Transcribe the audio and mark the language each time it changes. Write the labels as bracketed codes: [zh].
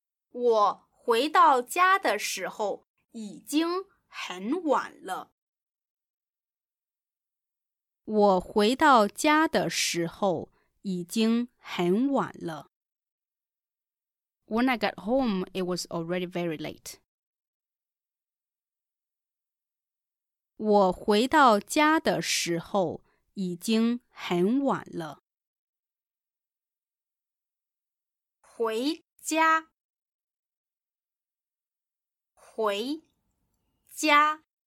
[zh] 我回到家的时候已经很晚了。我回到家的时候已经很晚了。 [en] When I got home, it was already very late. [zh] 我回到家的时候已经很晚了。回家。回家。